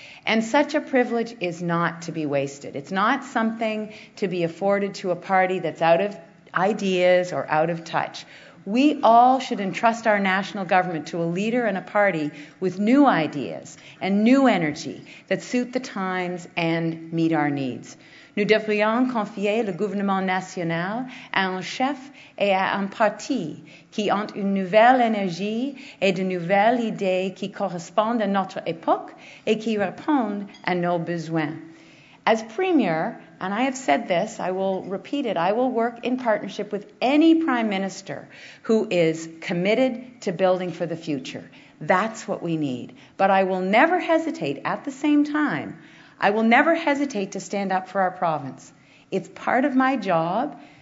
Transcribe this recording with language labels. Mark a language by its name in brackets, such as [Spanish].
[English] And such a privilege is not to be wasted. It's not something to be afforded to a party that's out of ideas or out of touch. We all should entrust our national government to a leader and a party with new ideas and new energy that suit the times and meet our needs. [French] Nous devrions confier le gouvernement national à un chef et à un parti qui ont une nouvelle énergie et de nouvelles idées qui correspondent à notre époque et qui répondent à nos besoins. [English] As Premier, and I have said this, I will repeat it, I will work in partnership with any Prime Minister who is committed to building for the future. That's what we need. But I will never hesitate at the same time. I will never hesitate to stand up for our province. It's part of my job.